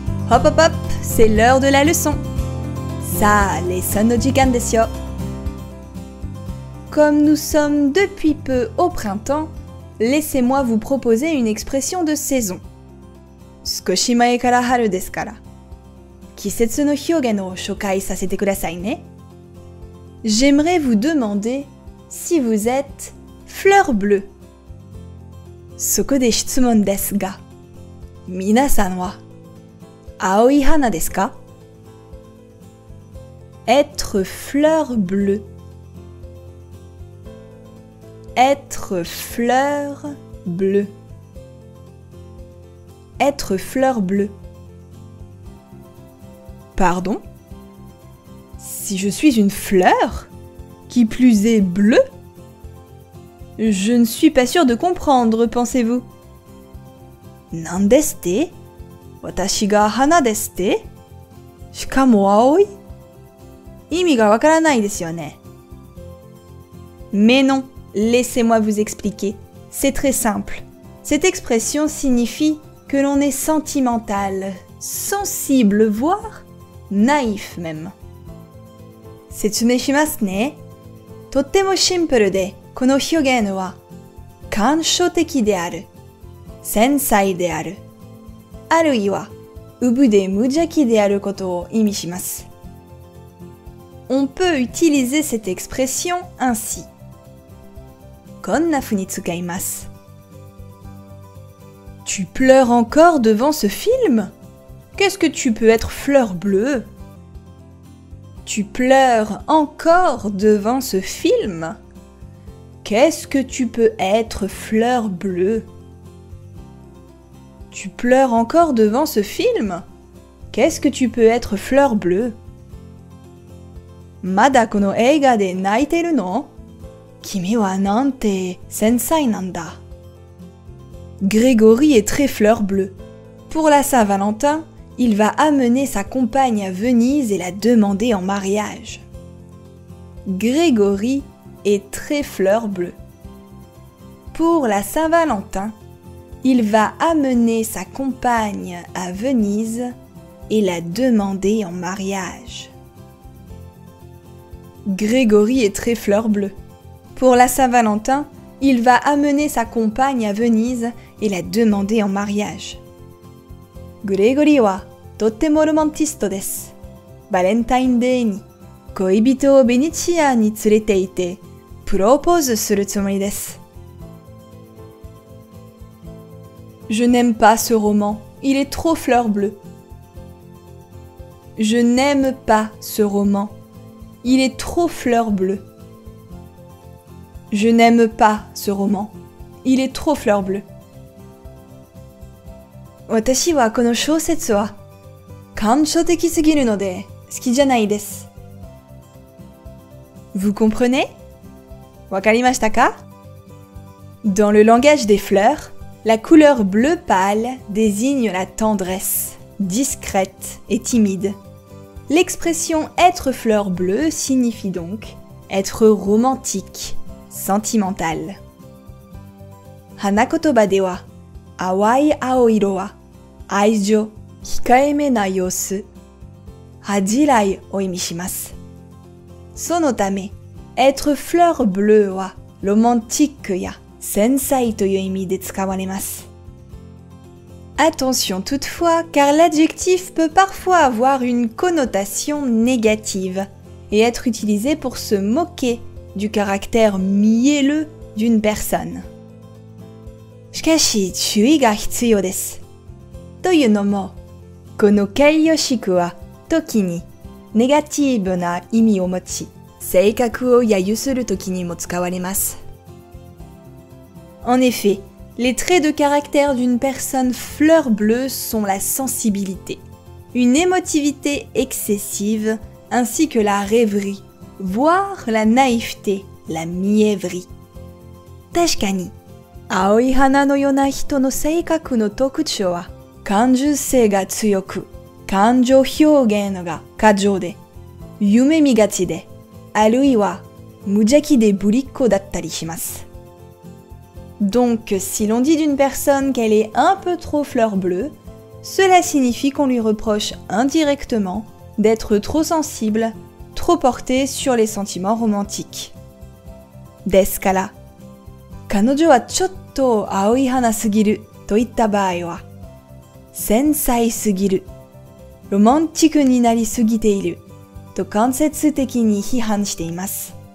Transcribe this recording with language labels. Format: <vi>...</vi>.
<fr>Hop hop hop, c'est l'heure de la leçon. Ça, les sonnes du gant de sio. Comme nous sommes depuis peu au printemps, laissez-moi vous proposer une expression de saison.</fr> <ja>少し前から春ですから。季節の表現を紹介させてくださいね。</ja> <fr>J'aimerais vous demander si vous êtes fleur bleue.</fr> <ja>そこで質問ですが、皆さんは青い花ですか?</ja> <fr>Être fleur bleue. Être fleur bleue. Être fleur bleue. Pardon? Si je suis une fleur, qui plus est bleue? Je ne suis pas sûre de comprendre, pensez-vous?</fr> <ja>Nan deste? 私が花ですって?しかも青い? 意味がわからないですよね。</ja> <fr>Mais non, laissez-moi vous expliquer. C'est très simple. Cette expression signifie que l'on est sentimental, sensible, voire naïf même.</fr> <ja>説明しますね。とってもシンプルで、この表現は感傷的である、繊細である。あるいは、うぶで無邪気であることを意味します。</ja> <fr>On peut utiliser cette expression ainsi.</fr> <ja>こんなふうに使います。</ja> <fr>Tu pleures encore devant ce film? Qu'est-ce que tu peux être fleur bleue? Tu pleures encore devant ce film? Qu'est-ce que tu peux être fleur bleue? Tu pleures encore devant ce film? Qu'est-ce que tu peux être fleur bleue?</fr> <ja>まだこの映画で泣いてるの?君はなんて繊細なんだ。</ja> <fr>Grégory est très fleur bleue. Pour la Saint-Valentin, il va amener sa compagne à Venise et la demander en mariage. Grégory est très fleur bleue. Pour la Saint-Valentin,Il va amener sa compagne à Venise et la demander en mariage. Grégory est très fleur bleue. Pour la Saint-Valentin, il va amener sa compagne à Venise et la demander en mariage.</fr> <ja>Grégory はとてもロマンティストです。バレンタインデーに恋人をベネチアに連れて行ってプロポーズするつもりです。</ja> <fr>Je n'aime pas ce roman, il est trop fleur bleue. Je n'aime pas ce roman, il est trop fleur bleue. Je n'aime pas ce roman, il est trop fleur bleue.</fr> <ja>私はこの小説は感傷的すぎるので好きじゃないです。</ja> <fr>Vous comprenez?</fr> <ja>わかりましたか?</ja> <fr>Dans le langage des fleurs,La couleur bleu pâle désigne la tendresse, discrète et timide. L'expression être fleur bleue signifie donc être romantique, sentimental.</fr> <ja>花言葉では、淡い青色は、愛情、控えめな様子、恥じらいを意味します。そのため、</ja> <fr>être fleur bleue</fr> <ja>は、ロマンティックや、繊細という意味で使われます。</ja> <fr>Attention toutefois, car l'adjectif peut parfois avoir une connotation négative et être utilisé pour se moquer du caractère mielleux d'une personne.</fr> <ja>しかし、注意が必要です。というのも、この形容詞は、時に、ネガティブな意味を持ち、性格を揶揄する時にも使われます。</ja> <fr>En effet, Les traits de caractère d'une personne fleur bleue sont la sensibilité, une émotivité excessive, ainsi que la rêverie, voire la naïveté, la mièvrerie.</fr> <ja>確かに、青い花のような人の性格の特徴は、感受性が強く、感情表現が過剰で、夢見がちで、あるいは無邪気でぶりっ子だったりします。</ja> <fr>Donc, si l'on dit d'une personne qu'elle est un peu trop fleur bleue, cela signifie qu'on lui reproche indirectement d'être trop sensible, trop portée sur les sentiments romantiques.</fr> <ja>ですから、彼女はちょっと青い花すぎると言った場合は、繊細すぎる、ロマンチックになりすぎていると間接的に批判しています。</ja>